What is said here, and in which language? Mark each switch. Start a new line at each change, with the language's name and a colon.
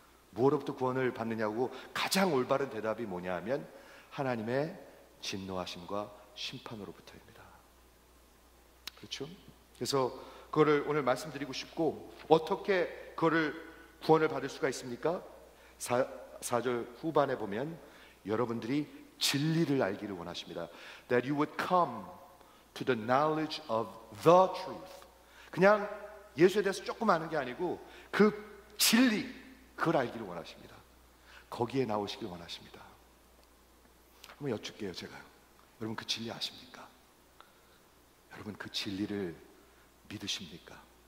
Korean: 무엇으로부터 구원을 받느냐고 가장 올바른 대답이 뭐냐 하면 하나님의 진노하심과 심판으로부터입니다. 그렇죠? 그래서 그거를 오늘 말씀드리고 싶고 어떻게 그거를 구원을 받을 수가 있습니까? 4절 후반에 보면 여러분들이 진리를 알기를 원하십니다.
English: That you would come to the knowledge of the truth.
Korean: 그냥 예수에 대해서 조금 아는 게 아니고 그 진리 그걸 알기를 원하십니다. 거기에 나오시길 원하십니다. 한번 여쭙게요. 제가 여러분 그 진리 아십니까? 여러분 그 진리를 믿으십니까?